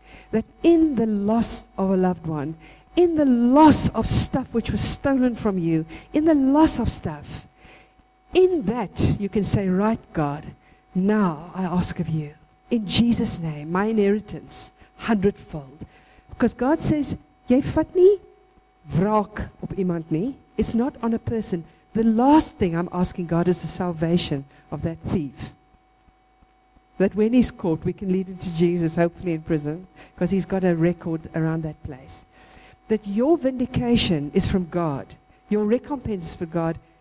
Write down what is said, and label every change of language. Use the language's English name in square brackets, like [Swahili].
[English] That in the loss of a loved one, in the loss of stuff which was stolen from you, in the loss of stuff, in that you can say, right, God, now I ask of you, in Jesus' name, my inheritance, 100-fold. Because God says, [Afrikaans] jy vat nie wraak op iemand nie. [English] It's not on a person. The last thing I'm asking God is the salvation of that thief. That when he's caught, we can lead him to Jesus, hopefully in prison, because he's got a record around that place. That your vindication is from God. Your recompense is for God.